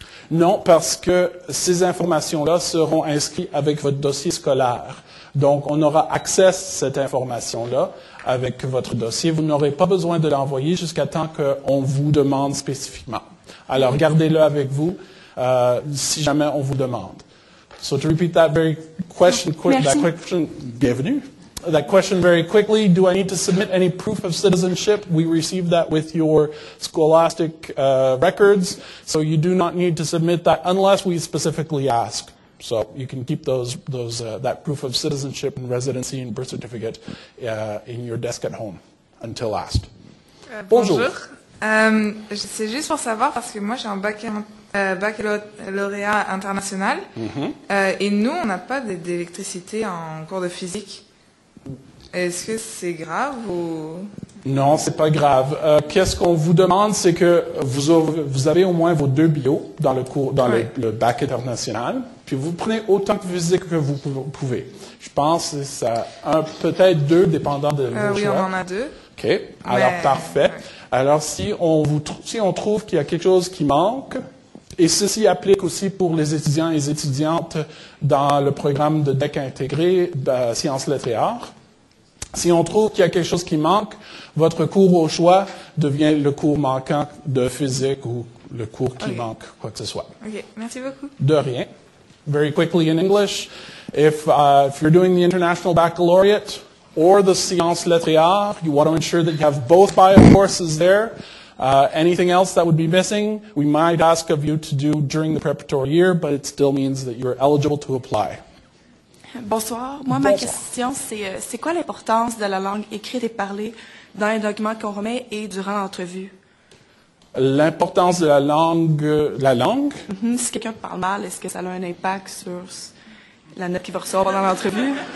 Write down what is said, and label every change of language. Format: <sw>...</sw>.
<fr>Non, parce que ces informations-là seront inscrites avec votre dossier scolaire. Donc, on aura accès à cette information-là avec votre dossier. Vous n'aurez pas besoin de l'envoyer jusqu'à temps qu'on vous demande spécifiquement. Alors, gardez-le avec vous si jamais on vous demande.</fr> <en>So, to repeat that very question, that question very quickly, do I need to submit any proof of citizenship? We receive that with your scholastic records. So, you do not need to submit that unless we specifically ask. So you can keep that proof of citizenship and residency and birth certificate in your desk at home until asked.</en> <fr>Bonjour. C'est juste pour savoir, parce que moi j'ai un baccalauréat international, et nous on n'a pas d'électricité en cours de physique. Est-ce que c'est grave ou... Non, c'est pas grave. Qu'est-ce qu'on vous demande, c'est que vous avez au moins vos deux bio dans le cours, dans le bac international, puis vous prenez autant de physique que vous pouvez. Je pense que ça un, peut-être deux, dépendant de vos choix. Oui, on en a deux. OK. Alors, parfait. Ouais. Alors, si on trouve qu'il y a quelque chose qui manque, et ceci applique aussi pour les étudiants et les étudiantes dans le programme de DEC intégré, sciences, lettres et arts, si on trouve qu'il y a quelque chose qui manque, votre cours au choix devient le cours manquant de physique ou le cours qui manque, quoi que ce soit. OK. Merci beaucoup. De rien.</fr> <en>Very quickly in English, if you're doing the International Baccalaureate or the Sciences Lettres et Arts, you want to ensure that you have both bio courses there. Anything else that would be missing, we might ask of you to do during the preparatory year, but it still means that you're eligible to apply.</en> <fr>Bonsoir. Moi, ma question, c'est quoi l'importance de la langue écrite et parlée dans les documents qu'on remet et durant l'entrevue? L'importance de la langue... La langue? Mm-hmm. Si quelqu'un parle mal, est-ce que ça a un impact sur la note qu'il va recevoir pendant l'entrevue?</fr>